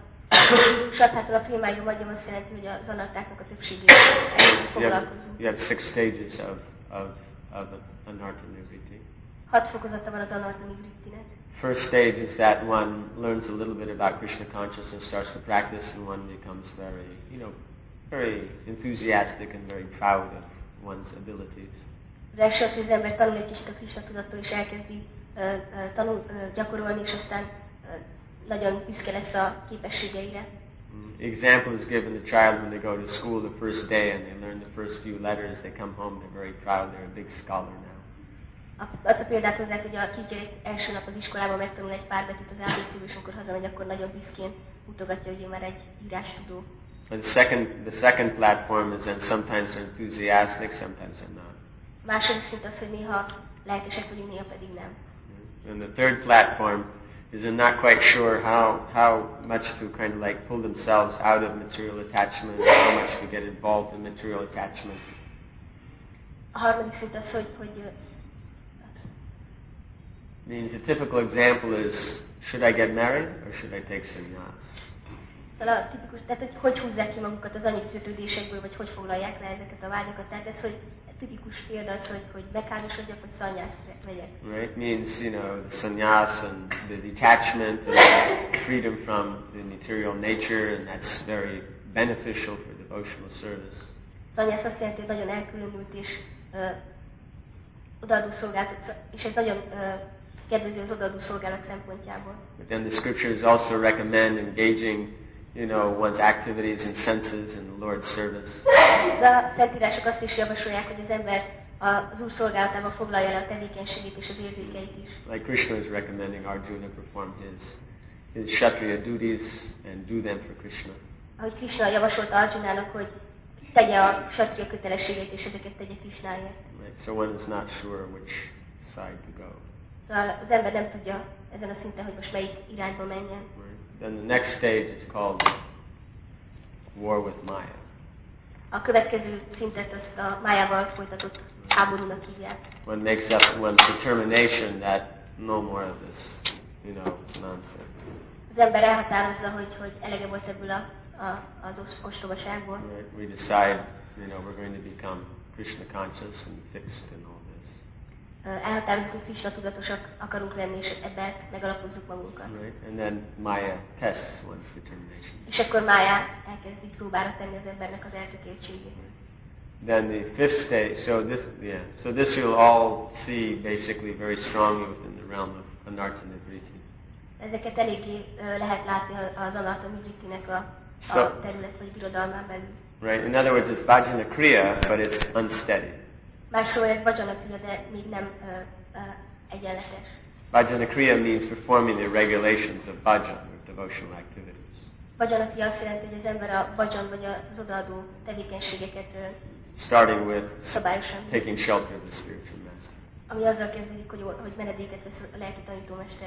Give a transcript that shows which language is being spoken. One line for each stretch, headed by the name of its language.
English: You have six stages of anartha nivritti. First stage is that one learns a little bit about Krishna consciousness and starts to practice, and one becomes very, very enthusiastic and very proud of one's abilities.
Hungarian: De első az, hogy az ember tanul egy kicsit a Krisna tudattól, és elkezdi gyakorolni, és aztán nagyon büszke lesz a képességeire.
English: Example is given the child when they go to school the first day and they learn the first few letters, they come home, they're very proud, they're a big scholar now.
Hungarian: Azt a példát hozzák, hogy a kisgyerek első nap az iskolában megtanul egy pár betűt az ABC-ből, és amikor hazamegy, akkor nagyon büszkén mutogatja, hogy ő már egy írástudó.
English: The second platform is that sometimes they're enthusiastic, sometimes they're not.
Hungarian: Második szint az, hogy néha lelkesek vagyunk, néha pedig nem.
English: And the third platform is they're not quite sure how much to kind of like pull themselves out of material attachment, how much to get involved in material attachment.
Hungarian: A harmadik szint az, hogy
English: means a typical example is, should I get married or should I take sannyas?
Hungarian: Tehát, hogy hogy húzzák ki magukat az anyagi kötődésekből, vagy hogy foglalják le ezeket a vágyakat. Tehát ez, hogy tipikus példa az, hogy bekárosodjak, vagy szanyász megyek.
English: Right, means, you know, the sannyas and the detachment and freedom from the material nature, and that's very beneficial for devotional service.
Hungarian: Szanyász azt jelenti, hogy nagyon elkülönült és odaadó szolgáltat, és ez nagyon kedvező az odaadó szolgálat szempontjából.
English: But then the scriptures also recommend engaging, you know, one's activities and senses in the Lord's service.
Hungarian: De a szentírások azt is javasolják, hogy az ember az Úr szolgálatában foglalja le a tevékenységét és az érzékeit is.
English: Like Krishna is recommending Arjuna perform his kshatriya duties and do them for Krishna.
Hungarian: Ahogy Krishna javasolta Arjunának, hogy tegye a kshatriya kötelességét és ezeket tegye Krishnáért.
English: Right, so one is not sure which side to go.
Hungarian: Az ember nem tudja ezen a szinten, hogy most melyik irányba menjen.
English: Then the next stage is called war with Maya.
Hungarian: A következő szintet azt a Mayával folytatott háborúnak hívják.
English: One makes up one's determination that no more of this, you know, nonsense.
Hungarian: Az ember elhatározza, hogy elege volt ebből az ostobaságból.
English: We decide, you know, we're going to become Krishna conscious and fixed in all this.
Hungarian: Elhatározzuk, hogy Krishna tudatosak akarunk lenni, és ebbe megalapozzuk magunkat.
English: Right. And then Maya tests one's determination.
Hungarian: És akkor Maya elkezdi próbára tenni az embernek az eltökéltségét.
English: Then the fifth stage, so this you'll all see basically very strongly within the realm of Anartha Nivritti.
Hungarian: Ezeket eléggé lehet látni az Anartha Nivritti-nek a terület vagy birodalmán belül.
English: Right, in other words, it's Vajana Kriya, but it's unsteady.
Hungarian: Más szóval ez Vajana Kriya, de még nem egyenletes.
English: Vajana Kriya means performing the regulations of Vajan, or devotional activities.
Hungarian: Vajana Kriya azt jelenti, hogy az ember a Vajan, vagy az odaadó tevékenységeket
English: starting with taking shelter of the spiritual master.
Hungarian: Ami azzal kezdődik, hogy menedéket vesz a lelki tanítómesterre.